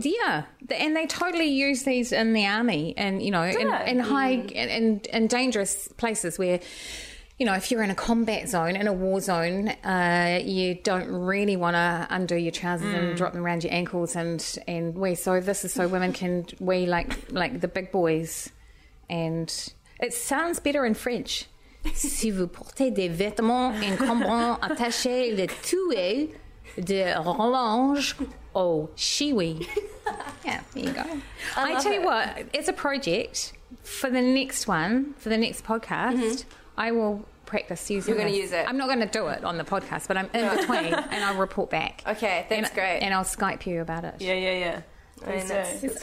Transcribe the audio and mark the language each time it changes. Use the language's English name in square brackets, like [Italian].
[English] Yeah, and they totally use these in the army and, you know, in dangerous places where, you know, if you're in a combat zone, in a war zone, you don't really want to undo your trousers and drop them around your ankles and wee. So this is so women can wee like the big boys. And it sounds better in French. [French] Si vous portez des vêtements encombrants, attachez le tuyau de rallonge au shiwi. [English] Yeah, there you go. I tell you what, it's a project for the next one, for the next podcast. Mm-hmm. I will practice using it. You're going to use it. I'm not going to do it on the podcast, but I'm in between and I'll report back. Okay, that's great. And I'll Skype you about it. Yeah. It's